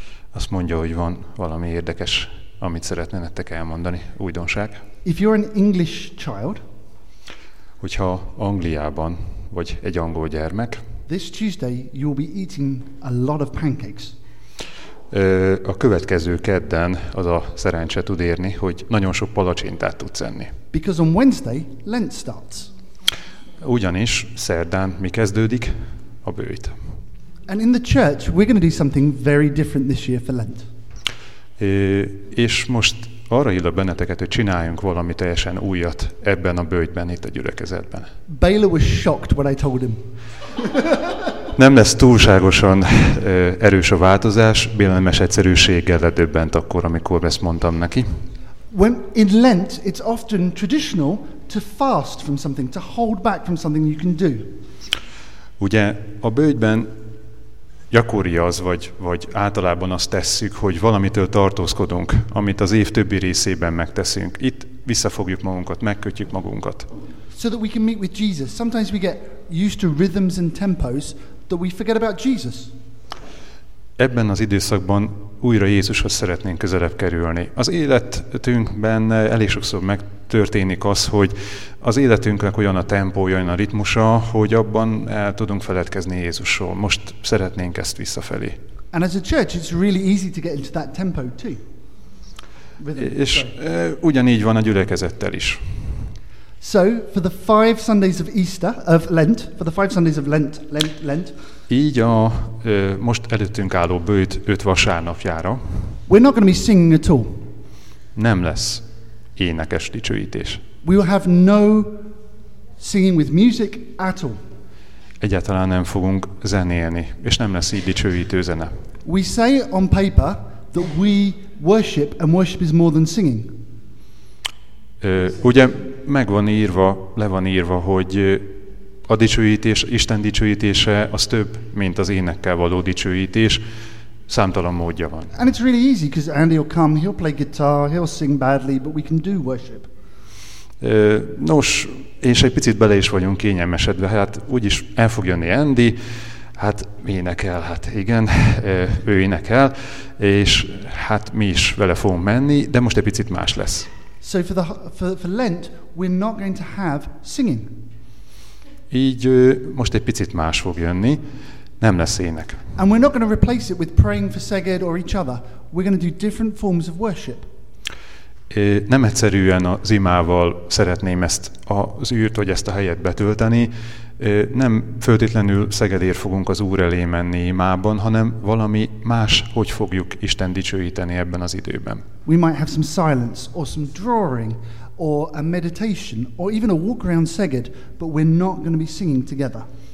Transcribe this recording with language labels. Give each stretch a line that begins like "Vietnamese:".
Hungarian: Azt mondja, hogy van valami érdekes, amit szeretne nektek elmondani, újdonság.
English: If you're an English child,
Hungarian: hogyha Angliában vagy egy angol gyermek,
English: This Tuesday you'll be eating a lot of pancakes.
Hungarian: A következő kedden az a szerencse tud érni, hogy nagyon sok palacsintát tudsz enni.
English: Because on Wednesday Lent starts.
Hungarian: Ugyanis szerdán mi kezdődik? A bőjt.
English: And in the church we're going to do something very different this year for Lent.
Hungarian: És most arra hívlak benneteket, hogy csináljunk valami teljesen újat ebben a bőjtben, itt a gyülekezetben.
English: Baylor was shocked when I told him.
Hungarian: Nem lesz túlságosan erős a változás, bélemes egyszerűséggel ledöbbent akkor, amikor ezt mondtam neki.
English: When in Lent, it's often traditional to fast from something, to hold back from something you can do.
Hungarian: Ugye a bőjtben gyakori az, vagy általában azt tesszük, hogy valamitől tartózkodunk, amit az év többi részében megteszünk. Itt visszafogjuk magunkat, megkötjük magunkat.
English: So that we can meet with Jesus. Sometimes we get used to rhythms and tempos that we forget about Jesus.
Hungarian: Ebben az időszakban újra Jézushoz szeretnénk közelebb kerülni. Az életünkben elég sokszor megtörténik az, hogy az életünknek olyan a tempója, olyan a ritmusa, hogy abban el tudunk feledkezni Jézusról. Most szeretnénk ezt visszafelé.
English: And as a church, it's really easy to get into that tempo too.
Hungarian: És ugyanígy van a gyülekezettel is.
English: So, for the five Sundays of Easter, of Lent, for the five Sundays of Lent.
Hungarian: Így a most előttünk álló bőjt öt vasárnapjára.
English: We're not going to be singing at all.
Hungarian: Nem lesz énekes dicsőítés.
English: We will have no singing with music at all.
Hungarian: Egyáltalán nem fogunk zenélni, és nem lesz így dicsőítő zene.
English: We say on paper that we worship, and worship is more than singing.
Hungarian: Ugye megvan írva, le van írva, hogy a dicsőítés, Isten dicsőítése az több, mint az énekkel való dicsőítés. Számtalan módja van.
English: And it's really easy, because Andy will come, he'll play guitar, he'll sing badly, but we can do worship.
Hungarian: Nos, és egy picit bele is vagyunk kényelmesedve. Hát úgyis el fog jönni Andy, hát énekel, hát igen, ő énekel, és hát mi is vele fogunk menni, de most egy picit más lesz.
English: So for Lent, we're not going to have singing.
Hungarian: Így most egy picit más fog jönni, nem lesz ének.
English: And we're not going to replace it with praying for Szeged or each other. We're going to do different forms of worship.
Hungarian: Nem egyszerűen az imával szeretném ezt az űrt, vagy ezt a helyet betölteni. Nem föltétlenül Szegedért fogunk az Úr elé menni imában, hanem valami más, hogy fogjuk Isten dicsőíteni ebben az időben.
English: We might have some silence, or some drawing, or a meditation, or even a walk around Szeged, but we're not going to be singing together.